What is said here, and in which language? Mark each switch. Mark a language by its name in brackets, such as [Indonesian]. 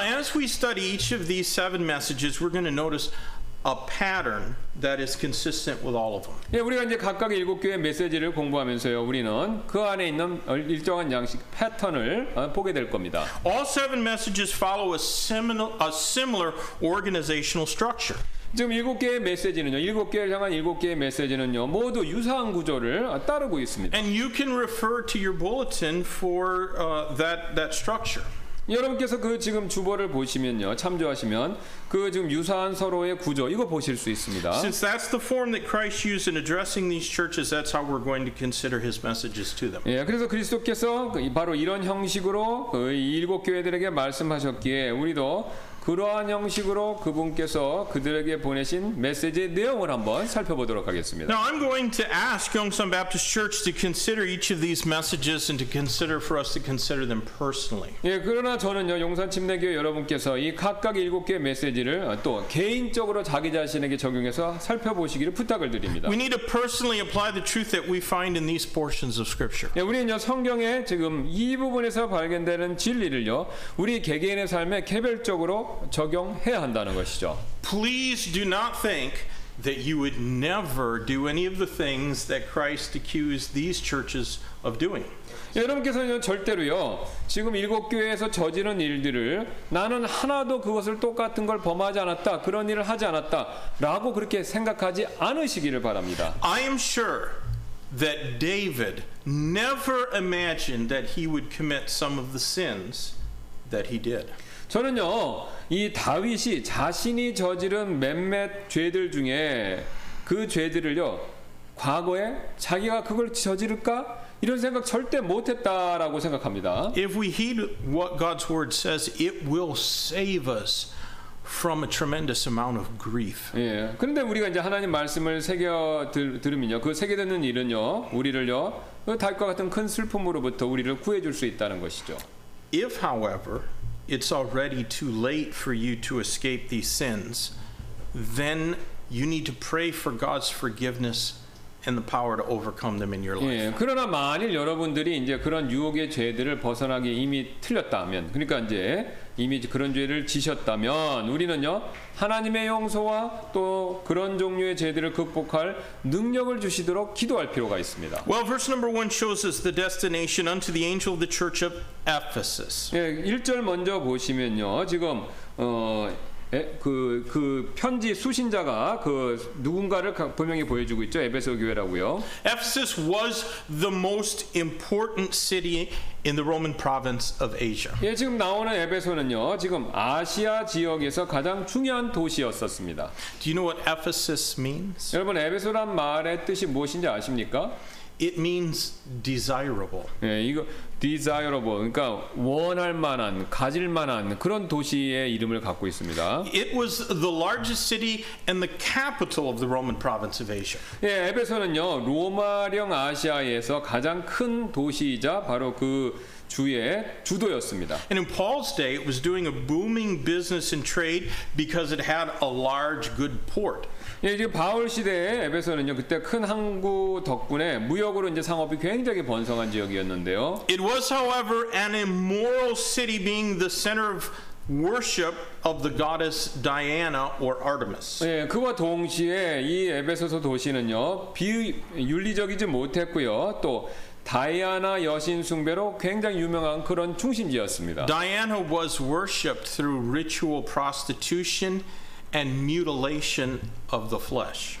[English] Now, as we study each of these seven messages, we're going to notice a pattern that is consistent with all of them. [Korean] 예, 우리가 이제 각각 일곱 교회 메시지를 공부하면서요, 우리는 그 안에 있는 일정한 양식 패턴을 보게 될 겁니다. [English] All seven messages follow a similar organizational structure. [Korean] 지금 일곱 개의 메시지는요, 일곱 개를 향한 일곱 개의 메시지는요, 모두 유사한 구조를 따르고 있습니다. [English] And you can refer to your bulletin for that structure. [Korean] 여러분께서 그 지금 주보를 보시면요, 참조하시면 그 지금 유사한 서로의 구조 이거 보실 수 있습니다. [English] Since that's the form that Christ used in addressing these churches, that's how we're going to consider his messages to them. [Korean] 예, 그래서 그리스도께서 바로 이런 형식으로 그 일곱 교회들에게 말씀하셨기에 우리도 그러한 형식으로 그분께서 그들에게 보내신 메시지의 내용을 한번 살펴보도록 하겠습니다. [English] Now I'm going to ask Yongsan Baptist Church to consider each of these messages and to consider for us to consider them personally. [Korean] 예, 그러나 저는요, 용산 침례교 여러분께서 이 각각 일곱 개의 메시지를 또 개인적으로 자기 자신에게 적용해서 살펴보시기를 부탁을 드립니다. [English] We need to personally apply the truth that we find in these portions of scripture. [Korean] 예, 우리는요, 성경에 지금 이 부분에서 발견되는 진리를요, 우리 개개인의 삶에 개별적으로 적용해야 한다는 것이죠. [English] Please do not think that you would never do any of the things that Christ accused these churches of doing. [Korean] 여러분께서는 절대로요 지금 일곱 교회에서 저지른 일들을 나는 하나도 그것을 똑같은 걸 범하지 않았다 그런 일을 하지 않았다 라고 그렇게 생각하지 않으시기를 바랍니다. [English] I am sure that David never imagined that he would commit some of the sins that he did. [Korean] 저는요 이 다윗이 자신이 저지른 몇몇 죄들 중에 그 죄들을요 과거에 자기가 그걸 저지를까 이런 생각 절대 못했다라고 생각합니다. [English] If we heed what God's word says, it will save us from a tremendous amount of grief. [Korean] 예. 그런데 우리가 이제 하나님 말씀을 새겨 들으면요, 그 새겨 듣는 일은요, 우리를요, 그 다윗과 같은 큰 슬픔으로부터 우리를 구해줄 수 있다는 것이죠. [English] If, however, it's already too late for you to escape these sins, then you need to pray for God's forgiveness. And the power to overcome them in your life. [Korean] 예, 그러나 만일 여러분들이 이제 그런 유혹의 죄들을 벗어나기 이미 틀렸다면, 그러니까 이제 이미 그런 죄를 지셨다면, 우리는요 하나님의 용서와 또 그런 종류의 죄들을 극복할 능력을 주시도록 기도할 필요가 있습니다. [English] Well, verse number one shows us the destination unto the angel of the church of Ephesus. [Korean] 예, 1절 먼저 보시면요 지금 그 편지 수신자가 그 누군가를 분명히 보여주고 있죠. 에베소 교회라고요. [English] Ephesus was the most important city in the Roman province of Asia. [Korean] 예, 지금 나오는 에베소는요. 지금 아시아 지역에서 가장 중요한 도시였었습니다. [English] Do you know what Ephesus means? [Korean] 여러분 에베소란 말의 뜻이 무엇인지 아십니까? [English] It means desirable. [Korean] 예, 이거 desirable. 그러니까 원할 만한, 가질 만한 그런 도시의 이름을 갖고 있습니다. [English] It was the largest city and the capital of the Roman province of Asia. [Korean] 예, 에베소는요. 로마령 아시아에서 가장 큰 도시이자 바로 그 주의 주도였습니다. [English] And in Paul's day it was doing a booming business and trade because it had a large good port. [Korean] 예, 이제 바울 시대에 에베소는요 그때 큰 항구 덕분에 무역으로 이제 상업이 굉장히 번성한 지역이었는데요. [English] It was, however, an immoral city, being the center of worship of the goddess Diana or Artemis. [Korean] 예, 그와 동시에 이 에베소서 도시는요 비윤리적이지 못했고요 또 다이아나 여신 숭배로 굉장히 유명한 그런 중심지였습니다. [English] Diana was worshipped through ritual prostitution. And mutilation of the flesh.